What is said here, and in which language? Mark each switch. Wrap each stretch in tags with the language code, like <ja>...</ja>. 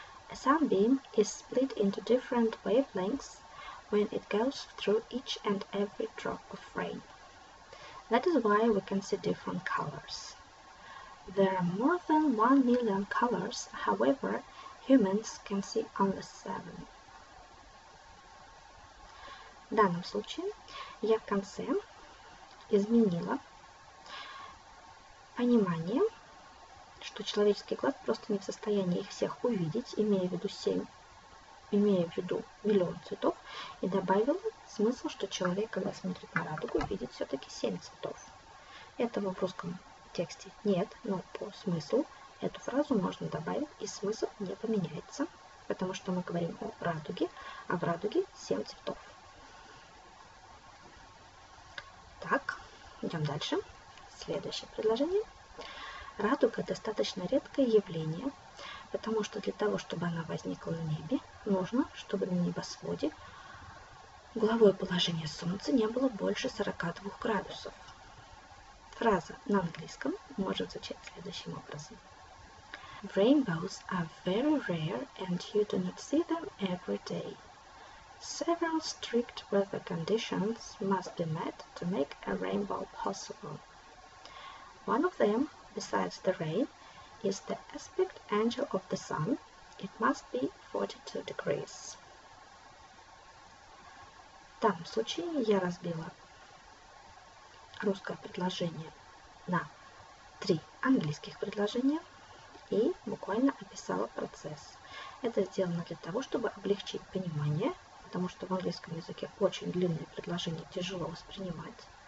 <en>A sunbeam is split into different wavelengths when it goes through each and every drop of rain. That is why we can see different colors. There are more than 1 million colors, however, humans can see only 7.</en> <ru>В данном случае я в конце изменила понимание, что человеческий глаз просто не в состоянии их всех увидеть, имея в виду миллион цветов, и добавила смысл, что человек, когда смотрит на радугу, видит все-таки 7 цветов. Этого в русском тексте нет, но по смыслу эту фразу можно добавить, и смысл не поменяется, потому что мы говорим о радуге, а в радуге 7 цветов. Так, идем дальше. Следующее предложение. Радуга – достаточно редкое явление, потому что для того, чтобы она возникла на небе, нужно, чтобы на небосводе угловое положение Солнца не было больше 42 градусов. Фраза на английском может звучать следующим образом.</ru> <en>Rainbows are very rare and you do not see them every day. Several strict weather conditions must be met to make a rainbow possible. One of them, besides the rain, is the aspect angle of the sun. It must be 42 degrees.</en> <ru>В данном случае я разбила русское предложение на 3 английских предложения и буквально описала процесс. Это сделано для того, чтобы облегчить понимание, потому что в английском языке очень длинные предложения тяжело воспринимать.</ru>